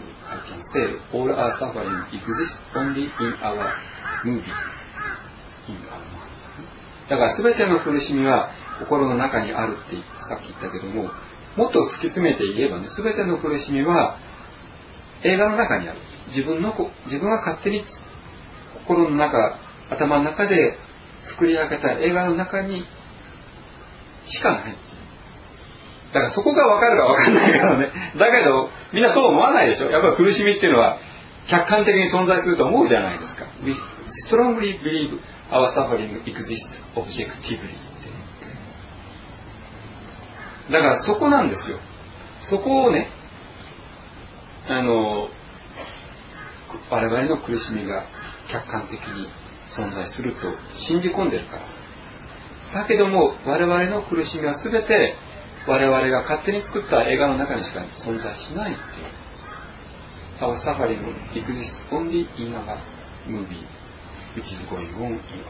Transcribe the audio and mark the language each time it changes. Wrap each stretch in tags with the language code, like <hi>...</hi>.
<en>I can say all our suffering exists only in our movie. In our mind.</en> <ja>だから全ての苦しみは心の中にあるってさっき言ったけども、もっと突き詰めて言えばね、全ての苦しみは映画の中にある。自分が勝手に心の中、頭の中で作り上げた映画の中にしかない。だからそこが分かるか分かんないからね。だけどみんなそう思わないでしょ。やっぱり苦しみっていうのは客観的に存在すると思うじゃないですか。</ja> <en>We strongly believe our suffering exists objectively。</en> <ja>だからそこなんですよ。そこをね、あの我々の苦しみが客観的に存在すると信じ込んでるから。だけども我々の苦しみは全て我々が勝手に作った映画の中にしか存在しないっていう。</ja> <en>Our suffering exists only in our movie, which is going on in our mind.</en>